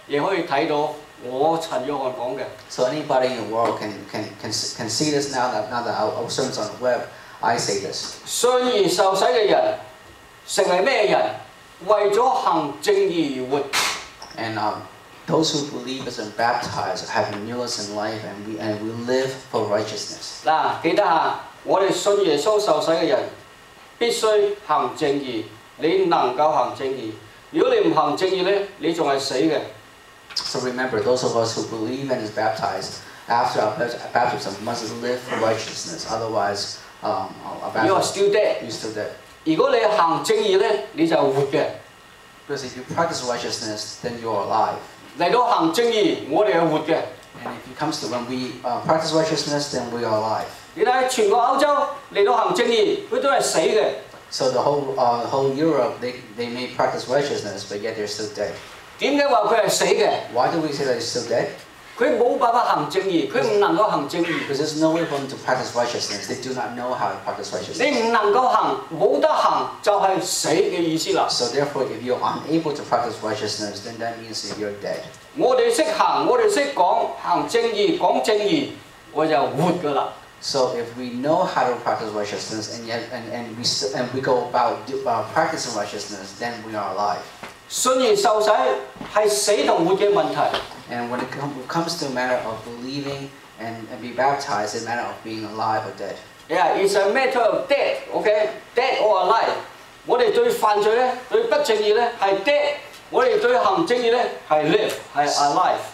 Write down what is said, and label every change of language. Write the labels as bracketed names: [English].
[Cantonese] 嗱，全世界而家我放喺網站上，全世界都可以聽到，亦可以睇到我陳若翰講嘅。So [English] anybody in the world can see this now that our sermon's on the web. I say this. [Cantonese] 信而受洗嘅人，成為咩人？為咗行正義而活。 [English] And those who believe is baptized have newness in life, and we live for righteousness. [Cantonese] 嗱，記得啊，我哋信耶稣受洗嘅人，必须行正义。你能够行正义，如果你唔行正义咧，你仲系死嘅。 [English] So remember, those of us who believe and is baptized after our baptism must live for righteousness. Otherwise, you are still dead. You're still dead. [Cantonese] 如果你行正义咧，你就活嘅。 [English] Because if you practice righteousness, then you are alive. [Cantonese] 嚟到行正义，我哋系活嘅。 [English] And if it comes to when we practice righteousness, then we are alive. [Cantonese] 你睇全个欧洲嚟到行正义，佢都系死嘅。 [English] So the whole Europe, they may practice righteousness, but yet they're still dead. [Cantonese] 点解话佢系死嘅 [English] ？Why do we say that he's still dead? [Cantonese] 佢冇办法行正义，佢唔能够行正义。 [English] Because there's no way for them to practice righteousness. They do not know how to practice righteousness. [Cantonese] 你唔能够行，冇得行，就系死嘅意思啦。 [English] So therefore, if you're unable to practice righteousness, then that means that you're dead. [Cantonese] 我哋识行，我哋识讲行正义，讲正义，我就活噶啦。 [English] So if we know how to practice righteousness and yet and we go about practicing righteousness, then we are alive. [Cantonese] 信而受洗是死同活的问题。 [English] And when it comes to a matter of believing and be baptized, it's a matter of being alive or dead. Yeah, it's a matter of death. Okay, dead or alive. [Cantonese] 我哋对犯罪咧，对不正义咧系 dead。我哋对行正义咧系 live， 系 alive。